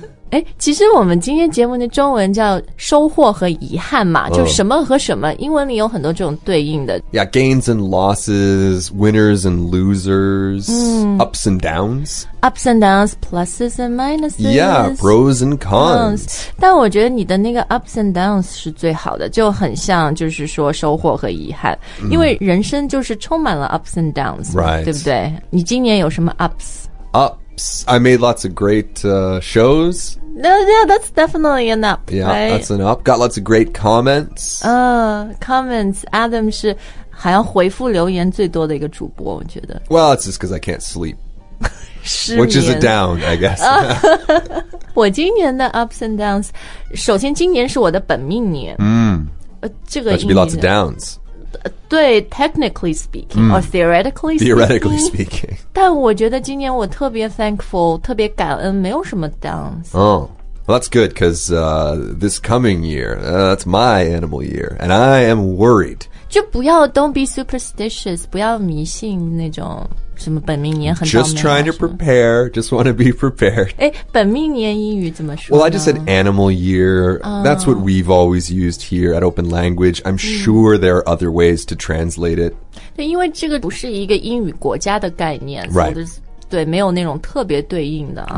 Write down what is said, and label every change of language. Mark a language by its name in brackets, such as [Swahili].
[Chinese] 哎，其实我们今天节目的中文叫收获和遗憾嘛、oh. 就什么和什么英文里有很多这种对应的 [English] Yeah, gains and losses, winners and losers、mm. Ups and downs Ups and downs, pluses and minuses Yeah, pros and cons、oh. [Chinese] 但我觉得你的那个 [English] ups and downs [Chinese] 是最好的就很像就是说收获和遗憾、mm. 因为人生就是充满了 [English] ups and downs、 right. [Chinese] 对不对你今年有什么 ups? [English] UpsI made lots of great、shows. Yeah, that's definitely an up, Yeah,、 right? that's an up. Got lots of great comments. Comments. [Chinese] Adam 是好像回复留言最多的一个主播，我觉得。 [English] Well, it's just because I can't sleep. [Chinese] 失眠。 [English] Which is a down, I guess. [Chinese] 我今年的 [English] ups and downs, [Chinese] 首先今年是我的本命年。 Mm. 这个 [English] That should be lots of downs. 对 technically speaking、mm. or theoretically speaking [Chinese] 但我觉得今年我特别 thankful 特别感恩没有什么 downs [English] Oh, well, that's good because、this coming year、that's my animal year and I am worried [Chinese] 就不要 [English] don't be superstitious [Chinese] 不要迷信那种什么本命年很 [English] Just trying to prepare Just want to be prepared [Chinese] 诶本命年英语怎么说呢 [English] Well I just said animal year、oh. That's what we've always used here at Open Language I'm sure、mm. there are other ways to translate it [Chinese] 对因为这个不是一个英语国家的概念 [English] Right、 [Chinese] so、对没有那种特别对应的、啊、